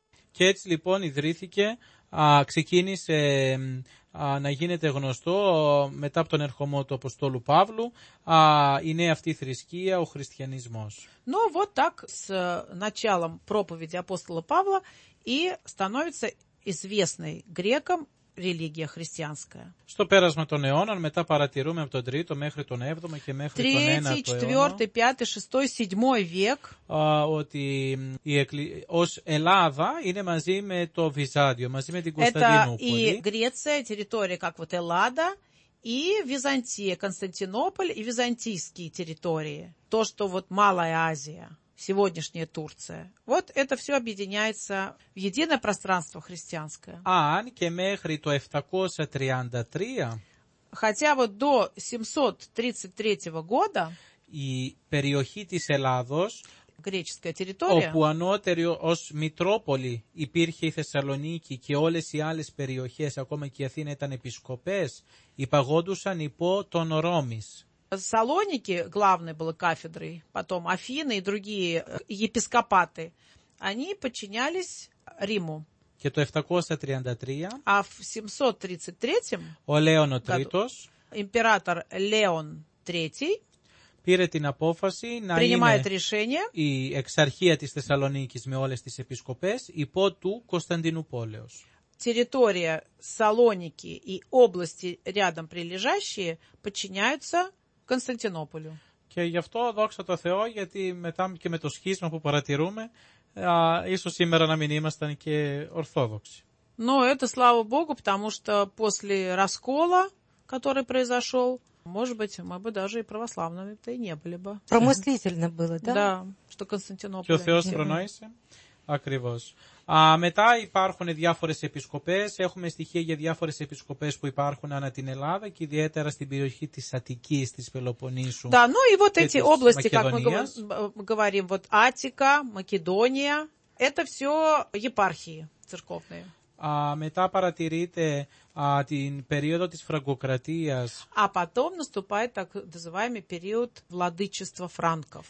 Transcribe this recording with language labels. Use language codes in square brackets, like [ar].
[el] Και έτσι λοιπόν ιδρύθηκε, ξεκίνησε να γίνεται γνωστό μετά από τον ερχομό του Αποστόλου Παύλου, η νέα αυτή θρησκεία, ο χριστιανισμός. [ru] Ну вот так с началом проповеди апостола Павла и становится известной грекам религия христианская. [el] Στο πέρασμα των αιώνων, μετά παρατηρούμε από τον 3ο μέχρι τον 7ο και μέχρι τον 9ο αιώνα. [ru] 3, 4, 5, 6, 7 век. [el] Ότι ως Ελλάδα είναι μαζί με το Βυζάντιο, μαζί με την Κωνσταντινούπολη. [ru] Это и Греция, территория как вот Ελλάδα, и Византия, Константинополь и византийские территории. То, что вот Малая Азия, сегодняшняя Турция. Вот это все объединяется в единое пространство христианское. [el] Αν και μέχρι το 733, [ru] хотя вот до 733 года [el] η περιοχή της Ελλάδος, [ru] греческая территория, [el] όπου ανώτερη ως Μητρόπολη υπήρχε η Θεσσαλονίκη και όλες οι άλλες περιοχές, ακόμα και η Αθήνα ήταν επισκοπές, υπαγόντουσαν υπό τον Ρώμης. [ru] Салоники, главной была кафедрой, потом Афины и другие епископаты, они подчинялись Риму. [el] Και το 733, [ru] а в 733 [el] ο Λέων ο Τρίτος, [ru] император Леон III, [el] πήρε την απόφαση να [ru] принимает решение, [el] η εξαρχία της Θεσσαλονίκης με όλες τις επισκοπές υπό του Κωνσταντινούπολεως. [ru] Территория Салоники и области рядом прилежащие подчиняются Κωνσταντινόπολου. [el] Και γι' αυτό δόξα τω Θεώ, γιατί μετά και με το σχίσμα που παρατηρούμε, ίσως σήμερα να μην ήμασταν και Ορθόδοξοι. [ru] Но это слава Богу, потому что после раскола, который произошел, может быть, мы бы даже и православными то и не были бы. Промыслительно было, да? Да, что Константинополь. [el] Και ο Θεός προνόησε. Ακριβώς. Μετά υπάρχουν διάφορες επισκοπές, έχουμε στοιχεία για διάφορες επισκοπές που υπάρχουν ανά την Ελλάδα και ιδιαίτερα στην περιοχή της Αττικής, της Πελοποννήσου. [ru] Да, ну и вот эти области, как мы говорим, вот Аттика, Македония, это все епархии церковные. [el] Μετά παρατηρείται την περίοδο της Φραγκοκρατίας. [ru] А потом наступает так называемый период владычества франков.